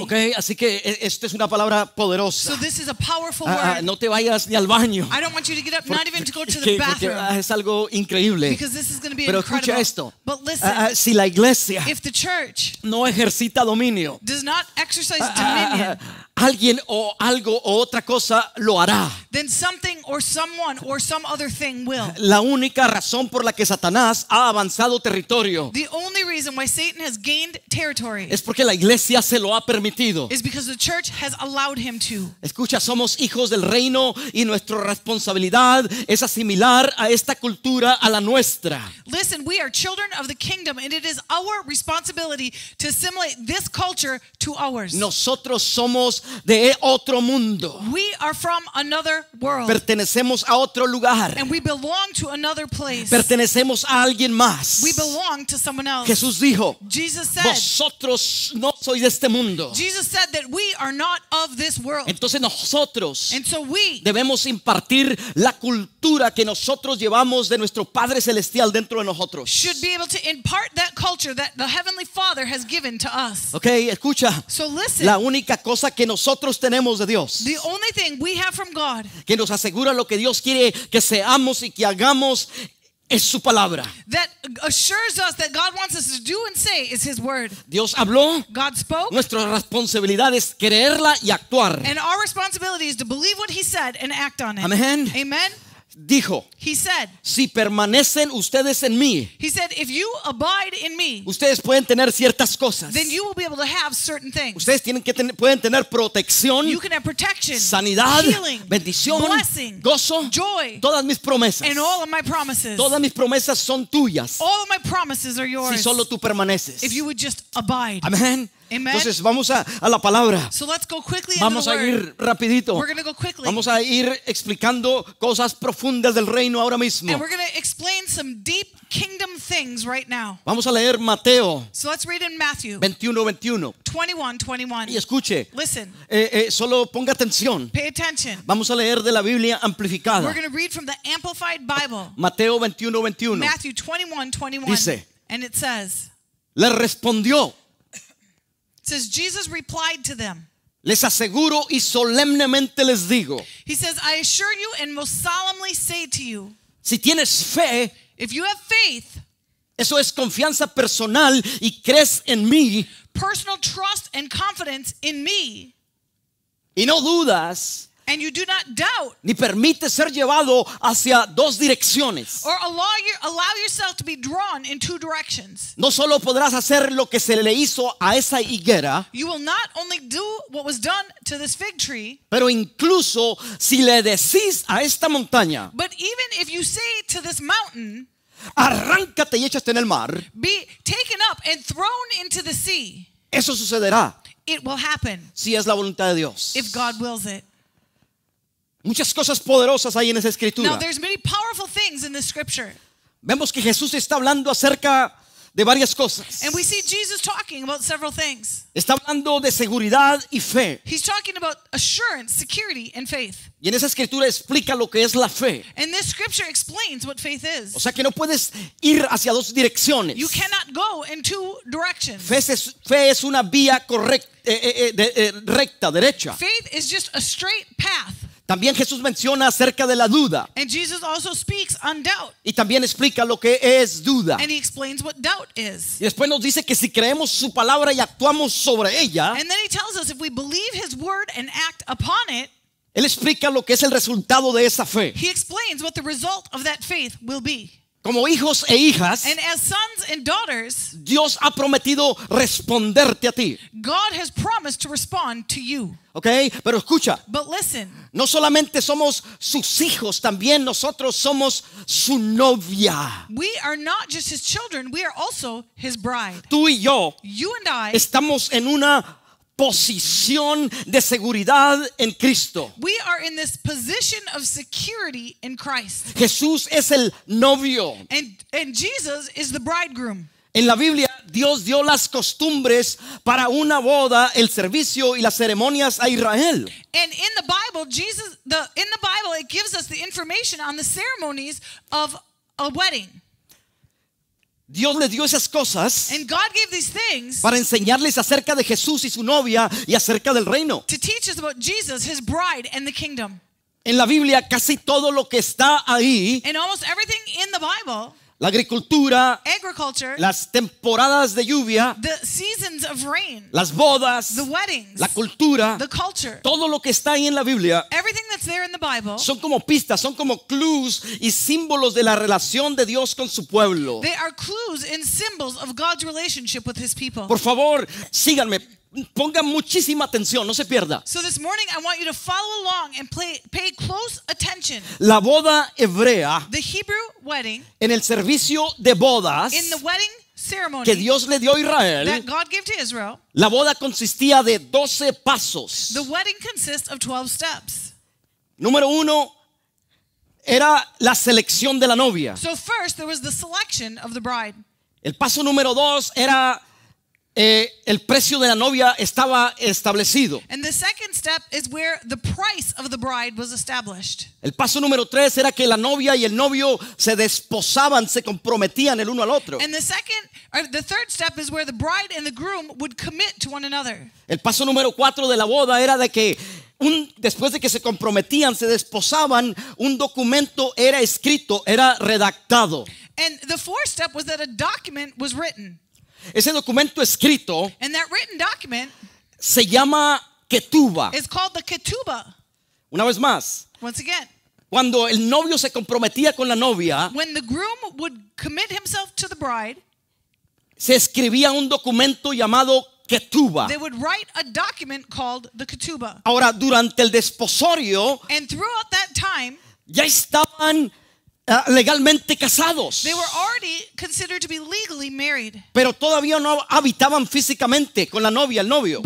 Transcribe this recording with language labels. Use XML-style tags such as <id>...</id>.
<es>Okay, así que esto es una palabra poderosa.</es> <en>So this is a powerful word.</en> <es>No te vayas ni al baño.</es> <en>I don't want you to get up, not even to go to the bathroom.</en> <es>Es algo increíble.</es> <en>Because this is going to be incredible.</en> <es>Pero escucha esto.</es> <en>But listen.</en> <es>Si la iglesia</es> <en>if the church</en> <es>no ejercita dominio,</es> <en>does not exercise dominion,</en> <es>alguien o algo o otra cosa lo hará.</es> <en>Then something or someone or some other thing will.</en> <es>La única razón por la que Satanás ha avanzado territorio.</es> <en>The only reason reason why Satan has gained territory.</en> <es>Es porque la iglesia se lo ha permitido.</es> <en>Is because the church has allowed him to.</en> <es>Escucha, somos hijos del reino y nuestra responsabilidad es asimilar a esta cultura a la nuestra.</es> <en>Listen, we are children of the kingdom and it is our responsibility to assimilate this culture to ours.</en> <es>Nosotros somos de otro mundo.</es> <en>We are from another world.</en> <es>Pertenecemos a otro lugar.</es> <en>And we belong to another place.</en> <es>Pertenecemos a alguien más.</es> <en>We belong to someone else.</en> <es>Jesús dijo,</es> <en>Jesus said,</en> <es>vosotros no sois de este mundo.</es> <en>Jesus said that we are not of this world.</en> <es>Entonces nosotros,</es> <en>and so we,</en> <es>debemos impartir la cultura que nosotros llevamos de nuestro Padre Celestial dentro de nosotros.</es> <en>Should be able to impart that culture that the Heavenly Father has given to us.</en> <es>Okay, escucha.</es> <en>So listen.</en> <es>La única cosa que nosotros tenemos de Dios,</es> <en>the only thing we have from God,</en> <es>que nos asegura lo que Dios quiere que seamos y que hagamos, es su palabra.</es> <en>That assures us that God wants us to do and say is his word.</en> <es>Dios habló.</es> <en>God spoke.</en> <es>Nuestra responsabilidad es creerla y actuar.</es> <en>And our responsibility is to believe what he said and act on it.</en> <es>Amen.</es> <en>Amen.</en> <es>Dijo,</es> <en>he said,</en> <es>si permanecen ustedes en mí,</es> <en>he said, if you abide in me,</en> <es>ustedes pueden tener ciertas cosas,</es> <en>then you will be able to have certain things.</en> <es>Ustedes tienen que pueden tener protección,</es> <en>you can have protection,</en> <es>sanidad,</es> <en>healing,</en> <es>bendición,</es> <en>blessing,</en> <es>gozo,</es> <en>joy,</en> <es>todas mis promesas,</es> <en>and all of my promises.</en> <es>Todas mis promesas son tuyas,</es> <en>all of my promises are yours,</en> <es>si solo tú permaneces,</es> <en>if you would just abide.</en> <es>Amen.</es> <en>Amen.</en> <es>Entonces vamos a la palabra.</es> <en>So let's go quickly into</en> <es>vamos</es> <en>the word.</en> <es>A ir rapidito.</es> <en>We're gonna go quickly.</en> <es>Vamos a ir explicando cosas profundas del reino ahora mismo.</es> <en>And we're gonna explain some deep kingdom things right now.</en> <es>Vamos a leer Mateo.</es> <en>So let's read in Matthew.</en> <es>21:21. Y escuche.</es> <en>Listen.</en> <es>Solo ponga atención.</es> <en>Pay attention.</en> <es>Vamos a leer de la Biblia amplificada.</es> <en>We're gonna read from the Amplified Bible.</en> <es>Mateo 21:21.</es> <en>Matthew 21:21.</en> <es>Dice.</es> <en>And it says.</en> <es>Le respondió.</es> <en>Says Jesus replied to them.</en> <es>Les aseguro y solemnemente les digo.</es> <en>He says, I assure you and most solemnly say to you.</en> <es>Si tienes fe,</es> <en>if you have faith,</en> <es>eso es confianza personal y crees en mí.</es> <en>Personal trust and confidence in me.</en> <es>Y no dudas.</es> <en>And you do not doubt.</en> <es>Ni permite ser llevado hacia dos direcciones.</es> <en>Or allow yourself to be drawn in two directions.</en> <es>No solo podrás hacer lo que se le hizo a esa higuera.</es> <en>You will not only do what was done to this fig tree.</en> <es>Pero incluso si le decís a esta montaña.</es> <en>But even if you say to this mountain.</en> <es>Arráncate y échate en el mar.</es> <en>Be taken up and thrown into the sea.</en> <es>Eso sucederá.</es> <en>It will happen.</en> <es>Si es la voluntad de Dios.</es> <en>If God wills it.</en> <es>Muchas cosas poderosas hay en esa escritura.</es> <en>Now, there's many powerful things in this scripture.</en> <es>Vemos que Jesús está hablando acerca de varias cosas.</es> <en>And we see Jesus talking about several things.</en> <es>Está hablando de seguridad y fe.</es> <en>He's talking about assurance, security, and faith.</en> <es>Y en esa escritura explica lo que es la fe.</es> <en>And this scripture explains what faith is.</en> <es>O sea que no puedes ir hacia dos direcciones.</es> <en>You cannot go in two directions.</en> <es>Fe es una vía correcta, recta, derecha.</es> <en>Faith is just a straight path.</en> <es>También Jesús menciona acerca de la duda.</es> <en>And Jesus also speaks on doubt.</en> <es>Y también explica lo que es duda.</es> <en>And he explains what doubt is.</en> <es>Y después nos dice que si creemos su palabra y actuamos sobre ella.</es> <en>And then he tells us if we believe his word and act upon it.</en> <es>Él explica lo que es el resultado de esa fe.</es> <en>He explains what the result of that faith will be.</en> <es>Como hijos e hijas.</es> <en>And as sons and daughters.</en> <es>Dios ha prometido responderte a ti.</es> <en>God has promised to respond to you.</en> <es>Okay, pero escucha.</es> <en>But listen.</en> <es>No solamente somos sus hijos, también nosotros somos su novia.</es> <en>We are not just his children, we are also his bride.</en> <es>Tú y yo.</es> <en>You and I.</en> <es>Estamos en una posición de seguridad en Cristo.</es> <en>We are in this position of security in Christ.</en> <es>Jesús es el novio.</es> <en>And Jesus is the bridegroom.</en> <es>En la Biblia, Dios dio las costumbres para una boda, el servicio y las ceremonias a Israel.</es> <en>And in the Bible, it gives us the information on the ceremonies of a wedding.</en> <es>Dios le dio esas cosas.</es> <en>And God gave these things</en> <es>para enseñarles acerca de Jesús y su novia y acerca del reino.</es> <en>To teach us about Jesus, his bride, and the kingdom.</en> <es>En la Biblia, casi todo lo que está ahí.</es> <en>And almost everything in the Bible.</en> <es>La agricultura,</es> <en>agriculture,</en> <es>las temporadas de lluvia,</es> <en>the seasons of rain,</en> <es>las bodas,</es> <en>the weddings,</en> <es>la cultura,</es> <en>the culture,</en> <es>todo lo que está ahí en la Biblia,</es> <en>everything that's there in the Bible,</en> <es>son como pistas, son como clues y símbolos de la relación de Dios con su pueblo.</es> <en>They are clues and symbols of God's relationship with his people.</en> <es>Por favor, síganme. Ponga muchísima atención, no se pierda.</es> <en>So this morning I want you to follow along and pay close attention.</en> <es>La boda hebrea,</es> <en>the Hebrew wedding,</en> <es>en el servicio de bodas,</es> <en>in the wedding ceremony,</en> <es>que Dios le dio a Israel,</es> <en>that God gave to Israel,</en> <es>la boda consistía de 12 pasos.</es> <en>The wedding consists of 12 steps.</en> <es>Número uno, era la selección de la novia.</es> <en>So first there was the selection of the bride.</en> <es>El paso número dos era el precio de la novia estaba establecido.</es> <en>And the second step is where the price of the bride was established.</en> <es>El paso número tres era que la novia y el novio se desposaban, se comprometían el uno al otro.</es> <en>And the third step is where the bride and the groom would commit to one another.</en> <es>El paso número cuatro de la boda era de que después de que se comprometían, se desposaban, un documento era escrito, era redactado.</es> <en>And the fourth step was that a document was written.</en> <es>Ese documento escrito,</es> <en>and that written document,</en> <es>se llama Ketuba.</es> <en>It's called the Ketuba.</en> <es>Una vez más.</es> <en>Once again.</en> <es>Cuando el novio se comprometía con la novia,</es> <en>when the groom would commit himself to the bride,</en> <es>se escribía un documento llamado Ketuba.</es> <en>They would write a document called the Ketuba.</en> <es>Ahora, durante el desposorio,</es> <en>and throughout that time,</en> <es>ya estaban legalmente casados.</es> <en>They were already considered to be legally married.</en> <es>Pero todavía no habitaban físicamente con la novia, el novio.</es>